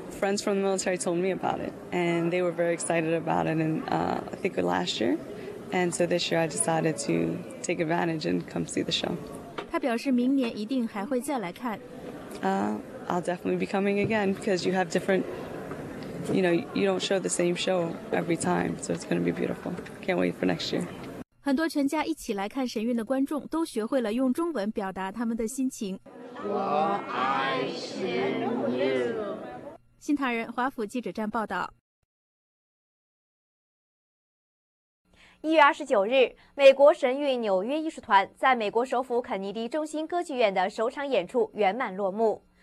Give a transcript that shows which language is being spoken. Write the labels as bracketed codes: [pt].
[en] Friends from the military told me about it, and they were very excited about it. And I think last year, and so this year I decided to take advantage and come see the show. [zh] 她表示明年一定还会再来看。 [en] I'll definitely be coming again because you have different. You know, you don't show the same show every time, so it's going to be beautiful. Can't wait for next year. [zh] 很多全家一起来看神韵的观众都学会了用中文表达他们的心情。我爱神韵。新唐人华府记者站报道。 1月29日，美国神韵纽约艺术团在美国首府肯尼迪中心歌剧院的首场演出圆满落幕。